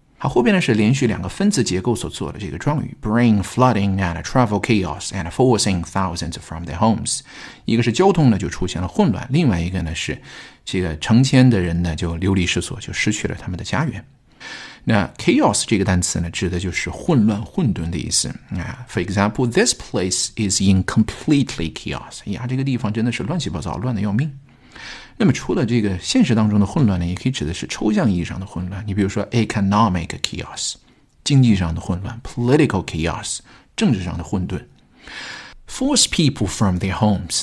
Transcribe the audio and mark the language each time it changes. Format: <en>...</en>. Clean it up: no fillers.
<zh>好，后边呢是连续两个分词结构所做的这个状语 ，</zh> <en>bring flooding and travel chaos and forcing thousands from their homes。</en> <zh>一个是交通呢就出现了混乱，另外一个呢是这个成千的人呢就流离失所，就失去了他们的家园。那 chaos 这个单词呢指的就是混乱混沌的意思。</zh> <en>For example, this place is in completely chaos.</en> <zh>哎呀，这个地方真的是乱七八糟，乱得要命。那么除了这个现实当中的混乱呢，也可以指的是抽象意义上的混乱。你比如说 economic chaos, 经济上的混乱 ,political chaos, 政治上的混沌。</zh> <en>Force people from their homes.</en>